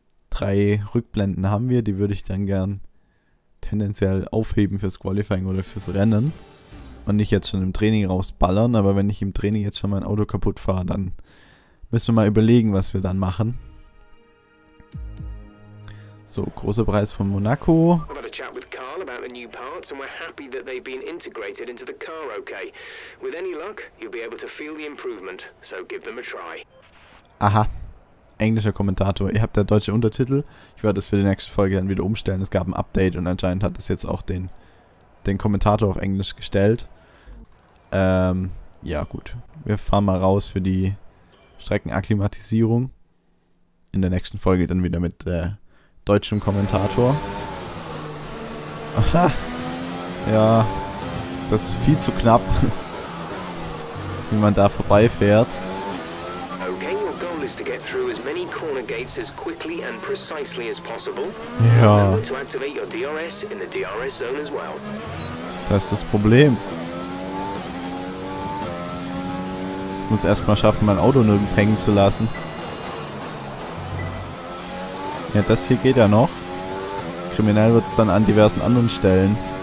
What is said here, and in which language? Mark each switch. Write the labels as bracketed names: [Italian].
[German] 3 Rückblenden haben wir, die würde ich dann gern tendenziell aufheben fürs Qualifying oder fürs Rennen. Und nicht jetzt schon im Training rausballern, aber wenn ich im Training jetzt schon mein Auto kaputt fahre, dann müssen wir mal überlegen, was wir dann machen. So, großer Preis von Monaco. [English] I've had a chat with Carl about the new parts and we're happy that they've been integrated into the car okay. With any luck, you'll be able to feel the improvement, so give them a try. [German] Aha, englischer Kommentator. Ihr habt da deutsche Untertitel. Ich werde das für die nächste Folge dann wieder umstellen. Es gab ein Update und anscheinend hat das jetzt auch den Kommentator auf Englisch gestellt. Ja gut. Wir fahren mal raus für die Streckenakklimatisierung. In der nächsten Folge dann wieder mit deutschem Kommentator. Aha. Ja, das ist viel zu knapp, wie man da vorbeifährt. [English] Okay, your goal is to get through as many corner gates as quickly and precisely as possible. [German] Ja. [English] To activate your DRS in the DRS zone as well. [German] Das ist das Problem. Ich muss erstmal schaffen, mein Auto nirgends hängen zu lassen. Ja, das hier geht ja noch. Kriminell wird es dann an diversen anderen Stellen.